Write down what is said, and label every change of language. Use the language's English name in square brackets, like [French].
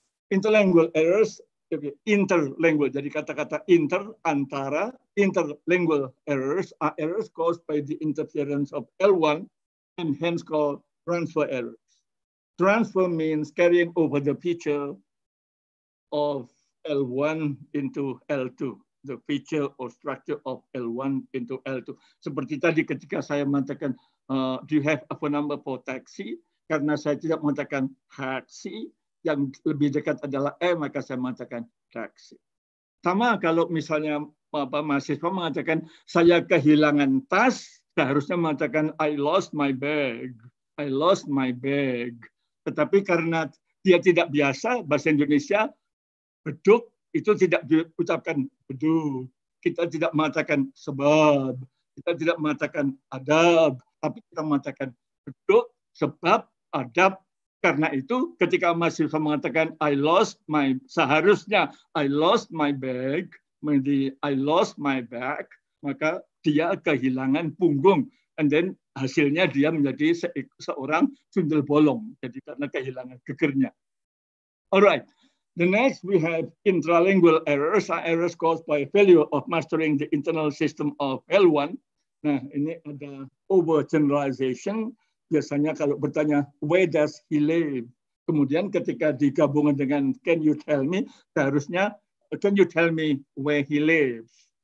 [English] Interlingual errors, interlingual, [Indonesian] jadi kata-kata inter, antara, [English] interlingual errors are errors caused by the interference of L1 and hence called transfer errors. Transfer means carrying over the feature of L1 into L2. The feature or structure of L1 into L2. [Indonesian] Seperti tadi ketika saya mengatakan, [English] do you have a phone number for taxi? [Indonesian] Karena saya tidak mengatakan taxi, yang lebih dekat adalah E, maka saya mengatakan taxi. Sama kalau misalnya Bapak mahasiswa mengatakan, saya kehilangan tas, seharusnya mengatakan, [English] I lost my bag. I lost my bag. [Indonesian] Tetapi karena dia tidak biasa, bahasa Indonesia, beduk, itu tidak diucapkan beduk. Kita tidak mengatakan sebab. Kita tidak mengatakan adab. Tapi kita mengatakan beduk, sebab, adab. Karena itu ketika mahasiswa mengatakan [English] I lost my bag, [Indonesian] maybe I lost my bag, maka dia kehilangan punggung. [English] And then [Indonesian] hasilnya dia menjadi seorang sundel bolong. Jadi karena kehilangan gegernya. [English] Alright. The next, we have intralingual errors, are errors caused by failure of mastering the internal system of L1. [Indonesian] Nah, ini ada overgeneralization. Biasanya kalau bertanya, [English] where does he live? [Indonesian] Kemudian ketika digabungkan dengan, [English] can you tell me? [Indonesian] Seharusnya, [English] can you tell me where he lives?